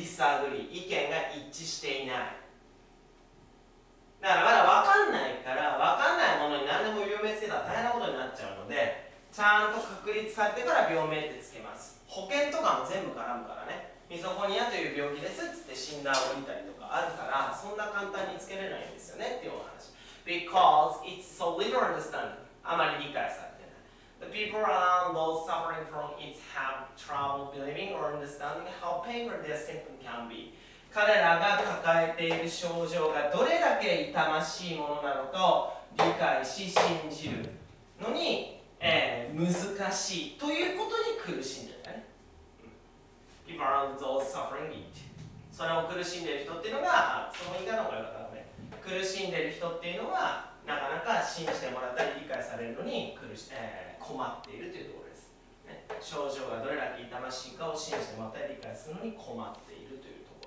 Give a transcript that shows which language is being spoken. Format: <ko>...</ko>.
<ja>disagree、 意見が一致していない。だからまだ分かんないから、分かんないものに何でも病名つけたら大変なことになっちゃうので、ちゃんと確立されてから病名ってつけます。保険とかも全部絡むからね。ミソフォニアという病気ですっつって診断を見たりとかあるから、そんな簡単につけれないんですよねっていうお話。</ja> <en>Because it's so little understood、</en> <ja>あまり理解されてない。</ja> <en>The people around those suffering from it have trouble believing or understanding how painful their symptom can be。</en> <ja>彼らが抱えている症状がどれだけ痛ましいものなのかを理解し信じるのに、難しいということに苦しんでるね。</ja> <en>People around those suffering it。</en> <ja>それを苦しんでる人っていうのが、その言い方の方がよかったので、苦しんでる人っていうのはなかなか信じてもらったり理解されるのに苦し、困っているというところです、ね、症状がどれだけ痛ましいかを信じてもらったり理解するのに困っているという。</ja>